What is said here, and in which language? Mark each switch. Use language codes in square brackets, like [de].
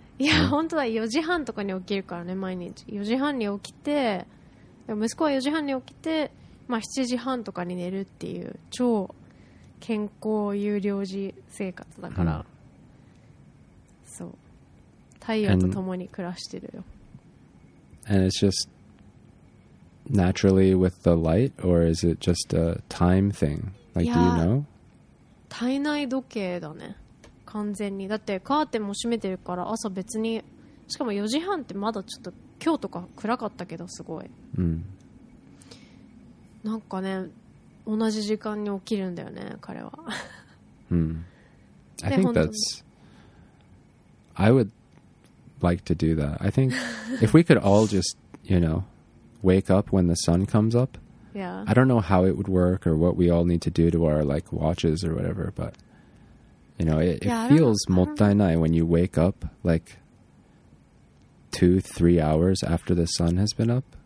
[ja] いや、うん、本当だ4時半とかに起きるからね毎日4時半に起きて息子は4時半に起きて、まあ、7時半とかに寝るっていう超健康有料児生活だから、うん、そう太陽と共に暮らしてるよ [en] and it's just naturally with the light or is it just a time thing like do you know [ja] 体内時計だね完全にだってカーテンも閉めてるから朝別にしかも4時半ってまだちょっと今日とか暗かったけどすごい、うん、なんかね同じ時間に起きるんだよね彼は [en] I think that's I would like to do that I think if we could all just you know wake up when the sun comes up yeah I don't know how it would work or what we all need to do to our like watches or whatever butYou know, it feels もったいない when you wake up like 2-3 hours after the sun has been up.